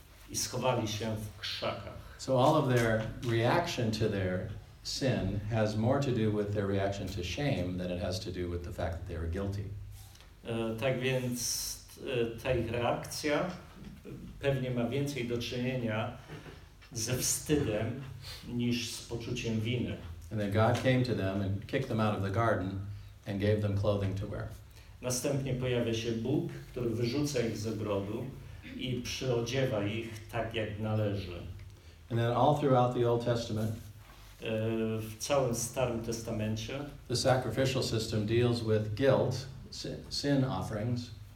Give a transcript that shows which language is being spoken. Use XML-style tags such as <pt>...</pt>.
<pl>I schowali się w krzakach.</pl> <en>So all of their reaction to their sin has more to do with their reaction to shame than it has to do with the fact that they were guilty.</en> <pl>Tak więc ta ich reakcja pewnie ma więcej do czynienia ze wstydem niż z poczuciem winy.</pl> <en>And then God came to them and kicked them out of the garden and gave them clothing to wear.</en> <pl>Następnie pojawia się Bóg, który wyrzuca ich z ogrodu i przyodziewa ich tak, jak należy.</pl> <en>And then all throughout the Old Testament,</en> <pl>w całym Starym Testamencie,</pl> <en>the sacrificial system deals with guilt, sin offerings.</en>